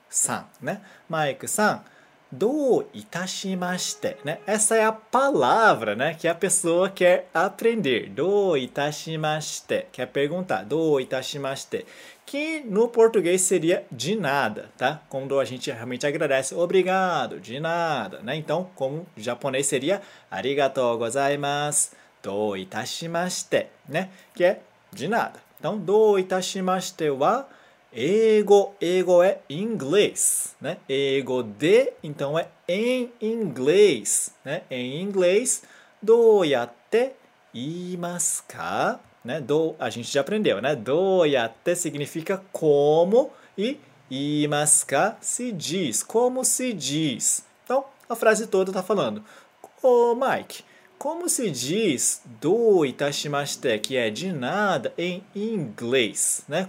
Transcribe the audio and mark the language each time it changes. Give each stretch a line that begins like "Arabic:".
Japanese: さんね、マイクさん、どういたしましてね、
Portuguese: essa é a palavra né que a pessoa quer aprender、どういたしまして、quer perguntar、どういたしまして、que no português seria de nada, tá? Quando a gente realmente agradece, obrigado, de nada, né? Então, como japonês seria,
Japanese: arigatou gozaimasu,
Portuguese: どういたしまして、ね、que é de nada. Então,
Japanese: どういたしましては英語
Portuguese: é inglês, né?
Japanese: 英語で,
Portuguese: então é em inglês, né? Em inglês,
Japanese: どうやって言いますか?
Portuguese: Né? Do, a gente já aprendeu, né? どうやって significa como e 言いますか se diz, como se diz. Então, a frase toda está falando, ô Mike, como se diz do itashimashite, que é de nada, em inglês? Né?